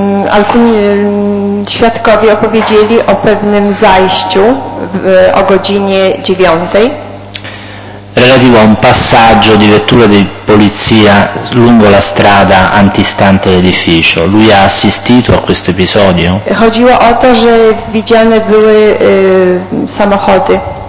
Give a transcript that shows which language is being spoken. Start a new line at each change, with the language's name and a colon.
Polish: Alcuni świadkowie opowiedzieli o pewnym zajściu o godzinie 9.
Italian: Relativo a un passaggio di vettura di polizia lungo la strada antistante l'edificio. Lui ha assistito a questo episodio?
Polish: Chodziło o to, że widziane były samochody.